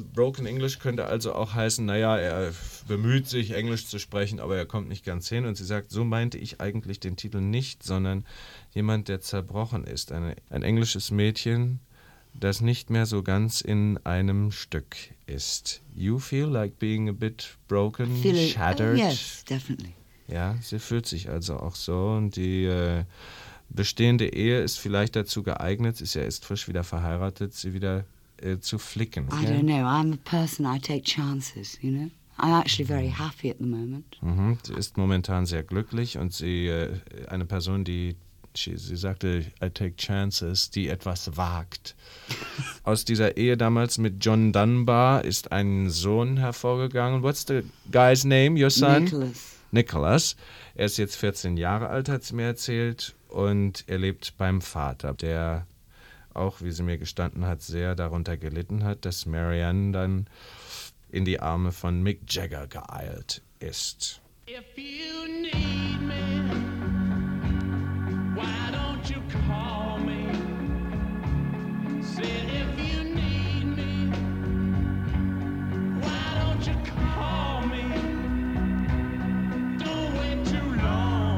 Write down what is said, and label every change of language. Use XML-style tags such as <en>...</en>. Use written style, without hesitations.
<de>Broken English könnte also auch heißen, naja, er bemüht sich, Englisch zu sprechen, aber er kommt nicht ganz hin. Und sie sagt, so meinte ich eigentlich den Titel nicht, sondern jemand, der zerbrochen ist. Ein englisches Mädchen, das nicht mehr so ganz in einem Stück ist.</de> <en>You feel like being a bit broken, shattered? Yes, definitely.</en> <de>Ja, sie fühlt sich also auch so. Und die... bestehende Ehe ist vielleicht dazu geeignet, ist ja erst frisch wieder verheiratet, sie wieder zu flicken.</de> <en>I don't know, I'm a person, I take chances, you know. I'm actually very happy at the moment. Mm-hmm.</en> <de>Sie ist momentan sehr glücklich und sie, eine Person, die, sie sagte,</de> <en>I take chances,</en> <de>die etwas wagt. Aus dieser Ehe damals mit John Dunbar ist ein Sohn hervorgegangen.</de> <en>What's the guy's name, your son? Nicholas. Nicholas.</en> <de>Er ist jetzt 14 Jahre alt, hat sie mir erzählt. Und er lebt beim Vater, der auch, wie sie mir gestanden hat, sehr darunter gelitten hat, dass Marianne dann in die Arme von Mick Jagger geeilt ist.</de> <en>If you need me, why don't you call me? Said if you need me, why don't you call me? Don't wait too long.</en>